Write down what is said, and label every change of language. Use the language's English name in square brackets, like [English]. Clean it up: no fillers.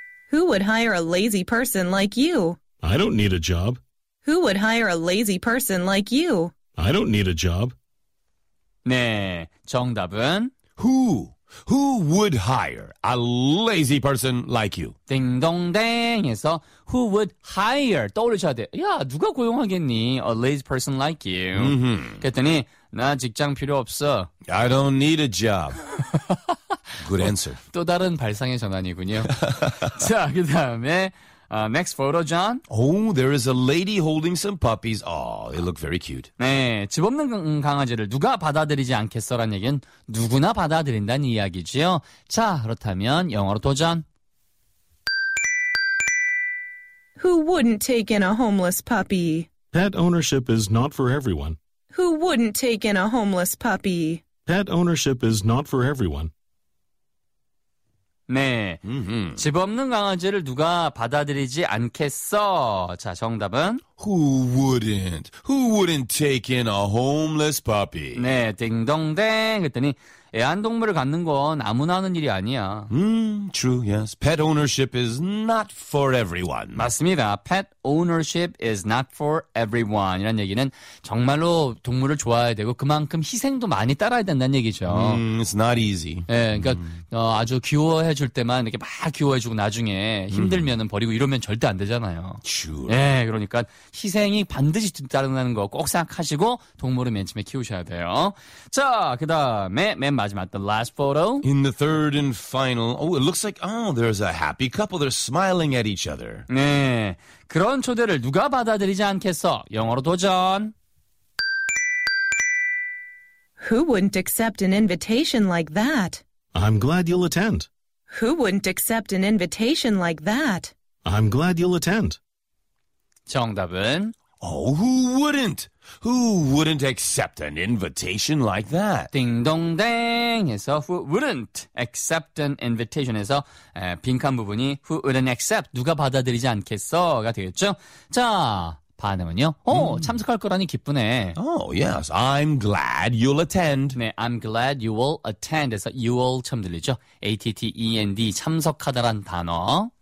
[English] Who would hire a lazy person like you? I don't need a job. Who would hire a lazy person like you? I don't need a job. [Korean] 네, 정답은? [English] Who? Who would hire a lazy person like you? [Korean] 딩동댕에서 [English] who would hire [Korean] 떠올리셔야 돼. 야, 누가 고용하겠니? [English] A lazy person like you. Mm-hmm. [Korean] 그랬더니 나 직장 필요 없어. [English] I don't need a job. Good answer. [Korean] 또 다른 발상의 전환이군요. 자, 그 다음에 [English] next photo, [Korean] John. [English] Oh, there is a lady holding some puppies. Oh, they look very cute. [Korean] 네, 집 없는 강아지를 누가 받아들이지 않겠어라는 얘기는 누구나 받아들인다는 이야기지요. 자, 그렇다면 영어로 도전. [English] Who wouldn't take in a homeless puppy? Pet ownership is not for everyone. Who wouldn't take in a homeless puppy? Pet ownership is not for everyone. 네, mm-hmm. [Korean] 집 없는 강아지를 누가 받아들이지 않겠어? 자, 정답은? [English] Who wouldn't? Who wouldn't take in a homeless puppy? [Korean] 네, 딩동댕 했더니 애완동물을 갖는 건 아무나 하는 일이 아니야. [English] True, yes. Pet ownership is not for everyone. [Korean] 맞습니다. [English] Pet ownership is not for everyone. [Korean] 이란 얘기는 정말로 동물을 좋아해야 되고 그만큼 희생도 많이 따라야 된다는 얘기죠. [English] It's not easy. [Korean] 네, 그러니까 아주 귀여워해 줄 때만 이렇게 막 귀여워해주고 나중에 힘들면 버리고 이러면 절대 안 되잖아요. [English] True. [Korean] 네, 그러니까 희생이 반드시 따른다는 거 꼭 생각하시고 동물을 맨 처음에 키우셔야 돼요. 자, 그 다음에 맨 마지막, [English] the last photo. In the third and final, oh, it looks like, oh, there's a happy couple. They're smiling at each other. [Korean] 네, 그런 초대를 누가 받아들이지 않겠어? 영어로 도전. [English] Who wouldn't accept an invitation like that? I'm glad you'll attend. Who wouldn't accept an invitation like that? I'm glad you'll attend. [Korean] 정답은? [English] Oh, who wouldn't? Who wouldn't accept an invitation like that? [Korean] 딩동댕 해서 [English] who wouldn't accept an invitation [Korean] 해서 빈칸 부분이 [English] who wouldn't accept [Korean] 누가 받아들이지 않겠어가 되겠죠. 자, 반응은요? 오, 참석할 거라니 기쁘네. [English] Oh, yes. I'm glad you'll attend. [Korean] 네, [English] I'm glad you will attend [Korean] 해서 [English] you will [Korean] 처음 들리죠. A-T-T-E-N-D 참석하다란 단어.